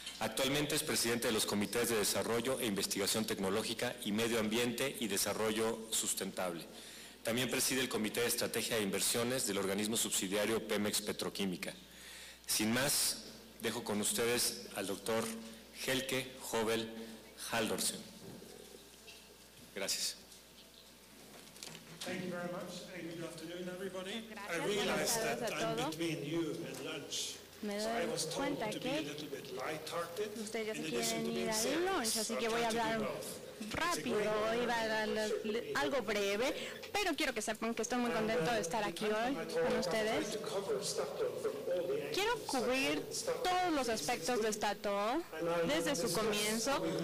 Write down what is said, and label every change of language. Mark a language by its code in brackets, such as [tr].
[es] Actualmente es presidente de los Comités de Desarrollo e Investigación Tecnológica y Medio Ambiente y Desarrollo Sustentable. También preside el Comité de Estrategia e Inversiones del organismo subsidiario Pemex Petroquímica. Sin más, dejo con ustedes al doctor Helge Hove Haldorsen. Gracias. [en] Thank you very much and good afternoon everybody. Gracias, I realized that I'm between you and lunch. [es] Me doy [en] so I was told to be a little bit light-hearted. [es] Ustedes ya se quieren ir a lunch, así que voy a hablar rápido, iba a dar algo breve, pero quiero que sepan que estoy muy contento de estar aquí hoy con ustedes. Quiero cubrir todos los aspectos de Statoil desde su comienzo.